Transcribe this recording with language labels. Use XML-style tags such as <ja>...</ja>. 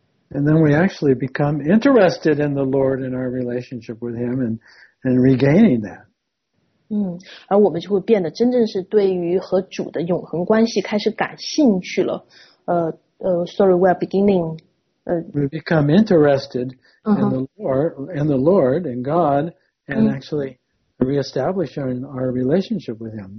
<en>And then we actually become interested in the Lord and our relationship with Him and regaining that.</en> <zh>而我们就会变得真正是对于和主的永恒关系开始感兴趣了。</zh> <en>We become interested in the Lord, and the Lord, and God, and actually reestablish our relationship with Him.</en>